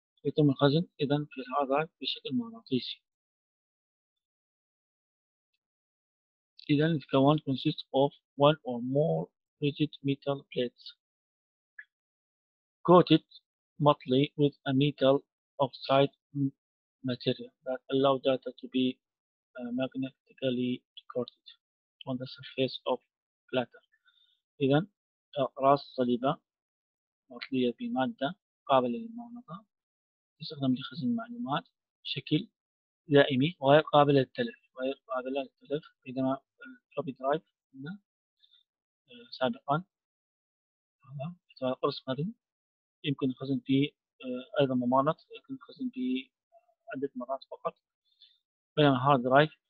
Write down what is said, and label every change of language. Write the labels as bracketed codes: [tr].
[ar] يتم الخزن إذا في هذا بشكل مغناطيسي. إذا الكوان [en] consists of one or more rigid metal plates coated monthly with a metal oxide material that allow data to be magnetically recorded on the surface of platter. [ar] إذا أقراص صليبة مطلية بمادة قابلة للمغناطة تستخدم لخزن المعلومات بشكل دائمي وغير قابلة للتلف، بينما الفلوبي درايف قلنا سابقا هذا يحتوي على قرص مرن، يمكن الخزن فيه ايضا ممغنط، يمكن الخزن فيه عدة مرات فقط. بينما الهارد درايف